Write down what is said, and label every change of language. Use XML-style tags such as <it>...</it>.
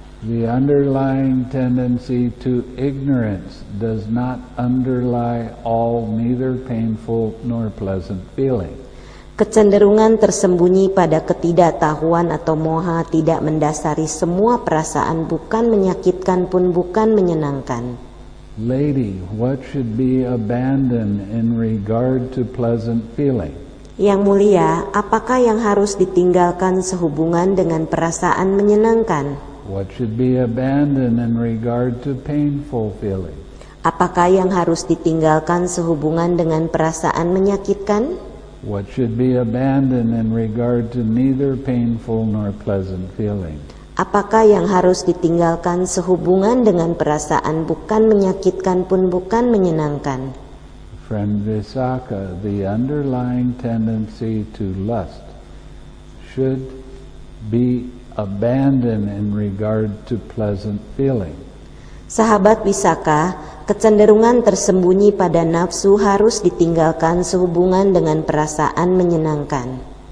<en>The underlying tendency to ignorance does not underlie all neither painful nor pleasant feeling.</en> <id>Kecenderungan tersembunyi pada ketidaktahuan atau moha tidak mendasari semua perasaan bukan menyakitkan pun bukan menyenangkan.</id> <en>Lady, what should be abandoned in regard to pleasant feeling?</en> <id>Yang mulia, apakah yang harus ditinggalkan sehubungan dengan perasaan menyenangkan?</id> <en>What should be abandoned in regard to painful feeling?</en> <id>Apakah yang harus ditinggalkan sehubungan dengan perasaan menyakitkan?</id> <en>What should be abandoned in regard to neither painful nor pleasant feeling?</en> <id>Apakah yang harus ditinggalkan sehubungan dengan perasaan, bukan menyakitkan pun bukan menyenangkan?</id> <en>From Visakha, the underlying tendency to lust should be abandoned in regard to pleasant feeling.</en> <id>Sahabat Visakha, kecenderungan tersembunyi pada nafsu harus ditinggalkan sehubungan dengan perasaan menyenangkan.</id>